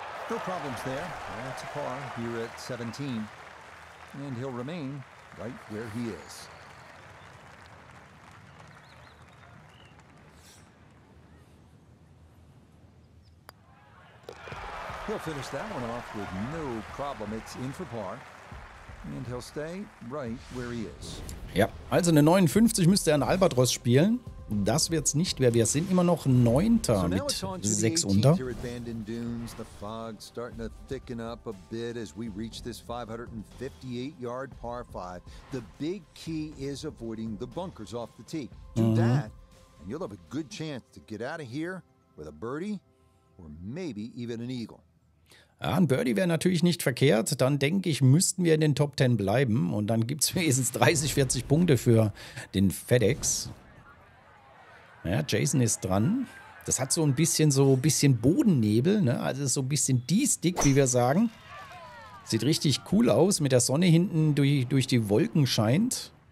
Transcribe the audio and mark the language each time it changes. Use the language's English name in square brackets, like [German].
[English] No problems there. That's a par here at 17. And he'll remain right where he is. He'll finish that one off with no problem. It's in for par. And he'll stay right where he is. [German] Ja, also eine 59 müsste er an Albatros spielen. Das wird's nicht mehr. Wir sind immer noch Neunter mit 6 unter. [English] Here at Bandon Dunes, the fog starting to thicken up a bit as we reach this 558-yard par 5. The big key is avoiding the bunkers off the tee. Do that, and you'll have a good chance to get out of here with a birdie or maybe even an eagle. [German] Ja, ein Birdie wäre natürlich nicht verkehrt, dann denke ich, müssten wir in den Top 10 bleiben und dann gibt es wenigstens 30, 40 Punkte für den FedEx. Ja, Jason ist dran. Das hat so ein bisschen Bodennebel, ne? Also ist so ein bisschen D-Stick, wie wir sagen. Sieht richtig cool aus, mit der Sonne hinten durch die Wolken scheint.